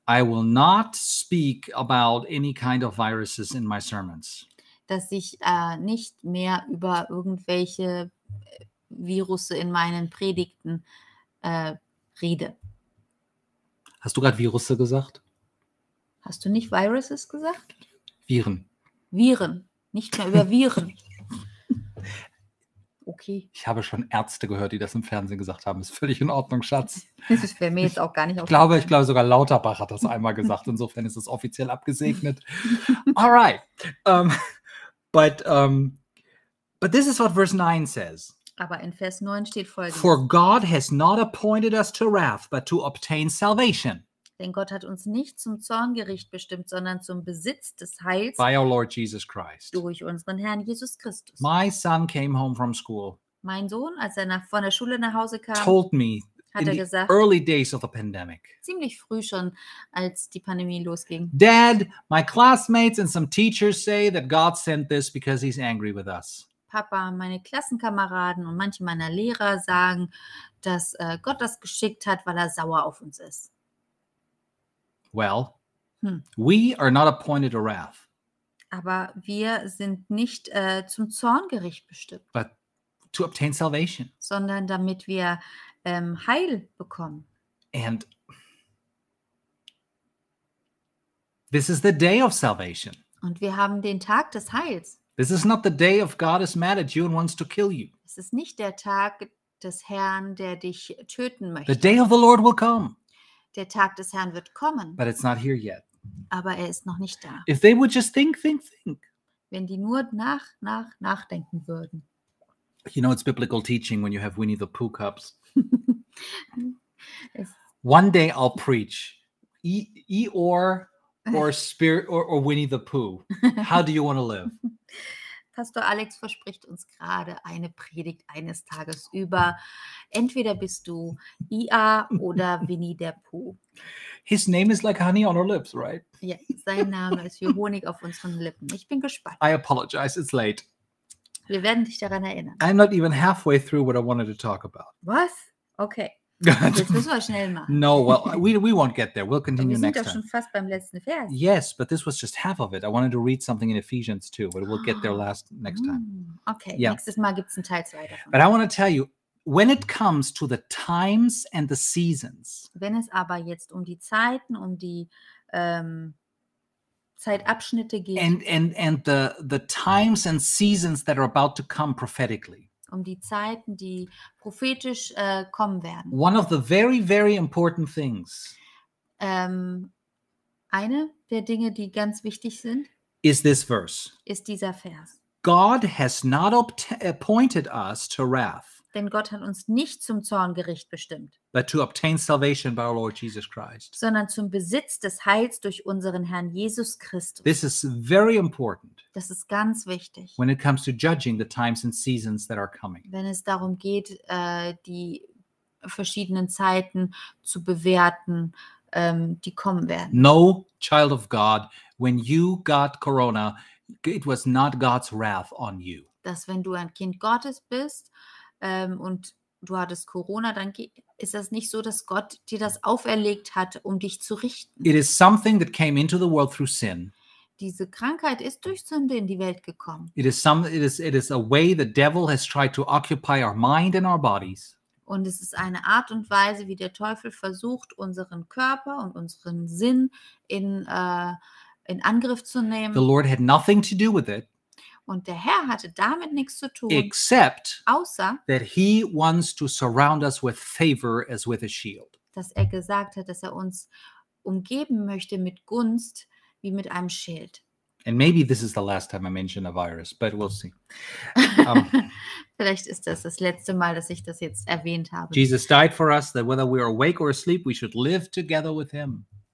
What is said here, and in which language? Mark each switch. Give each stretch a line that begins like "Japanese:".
English: I will not speak about any kind of viruses in my sermons.
German: Dass ich nicht mehr über irgendwelche Virusse in meinen Predigten rede. Hast du gerade Virusse gesagt? Hast du nicht Viruses gesagt? Viren. Viren. Nicht mehr über Viren. Okay. Ich habe schon Ärzte gehört, die das im Fernsehen gesagt haben. Ist völlig in Ordnung, Schatz. Das ist für mich jetzt auch gar nicht auf. Ich glaube, sogar Lauterbach hat das einmal gesagt. Insofern ist es offiziell abgesegnet.
English: All right. But this is what verse 9 says.
German: Aber in Vers 9 steht folgendes.
English: For God has not appointed us to wrath, but to obtain salvation.
German: Denn Gott hat uns nicht zum Zorngericht bestimmt, sondern zum Besitz des Heils
English: by our Lord Jesus Christ.
German: Durch unseren Herrn Jesus Christus.
English: My son came home from school.
German: Mein Sohn, als er von der Schule nach Hause kam,
English: told me,
German: hat er gesagt,
English: early days of the pandemic,
German: ziemlich früh schon, als die Pandemie losging,
English: Dad, my classmates and some teachers say that God sent this because he's angry with us.
German: Papa, meine Klassenkameraden und manche meiner Lehrer sagen, dass Gott das geschickt hat, weil er sauer auf uns ist.
English: Well, we are not appointed to wrath.
German: Aber wir sind nicht zum Zorngericht bestimmt.
English: But to obtain salvation.
German: Sondern damit wir Heil bekommen.
English: And this is the day of salvation.
German: Und wir haben den Tag des Heils.
English: This is not the day of God is mad at you and wants to kill you.
German: Es ist nicht der Tag des Herrn, der dich töten möchte.
English: The day of the Lord will come.
German: Der Tag des Herrn wird kommen.
English: But it's not here yet.
German: Aber er ist noch nicht da.
English: If they would just think.
German: Wenn die nur nachdenken würden.
English: You know, it's biblical teaching when you have Winnie the Pooh cups. One day I'll preach Eeyore or Spirit or Winnie the Pooh. How do you want to live?
German: Pastor Alex verspricht uns gerade eine Predigt eines Tages über entweder bist du Ia oder Winnie der Pooh.
English: His name is like honey on our lips, right?
German: Ja, sein Name ist wie Honig auf unseren Lippen. Ich bin gespannt.
English: I apologize, it's late.
German: Wir werden dich daran erinnern.
English: I'm not even halfway through what I wanted to talk about.
German: Was? Okay. Das müssen wir schnell machen.
English: No, well, we won't get there. We'll continue next time.
German: Wir sind doch schon fast beim letzten Vers.
English: Yes, but this was just half of it. I wanted to read something in Ephesians too, but we'll get there next time. Okay, yeah.
German: Nächstes Mal gibt es einen Teil 2 davon.
English: But I want to tell you, when it comes to the times and the seasons.
German: Wenn es aber jetzt um die Zeiten, um die Zeitabschnitte geht.
English: And the times and seasons that are about to come prophetically.
German: Um die Zeiten, die prophetisch kommen werden.
English: One of the very, very important things.
German: Eine der Dinge, die ganz wichtig sind,
English: is this verse.
German: Ist dieser Vers.
English: God has not appointed us to wrath.
German: Denn Gott hat uns nicht zum Zorngericht bestimmt.
English: But to obtain salvation by our Lord Jesus Christ.
German: Sondern zum Besitz des Heils durch unseren Herrn Jesus Christus.
English: This is very important.
German: Das ist ganz wichtig.
English: When it comes to judging the times and seasons that are coming.
German: Wenn es darum geht, die verschiedenen Zeiten zu bewerten, die kommen werden.
English: No child of God, when you got Corona, it was not God's wrath on you.
German: Dass wenn du ein Kind Gottes bist, und du hattest Corona, dann ist das nicht so, dass Gott dir das auferlegt hat, um dich zu richten.
English: It is something that came into the world through sin.
German: Diese Krankheit ist durch Sünde in die Welt gekommen.
English: It is a way the devil has tried to occupy our mind and our bodies.
German: Und es ist eine Art und Weise, wie der Teufel versucht, unseren Körper und unseren Sinn in Angriff zu nehmen.
English: The Lord had nothing to do with it.
German: Und der Herr hatte damit nichts zu tun,
English: except
German: außer
English: that he wants to surround us with favor as with a shield.
German: Dass er gesagt hat, dass er uns umgeben möchte mit Gunst wie mit einem Schild.
English: And maybe this is the last time I mention a virus, but we'll see.
German: Vielleicht ist das letzte Mal, dass ich das jetzt erwähnt habe.
English: Jesus died for us, that whether we are awake or asleep, we should live together with him.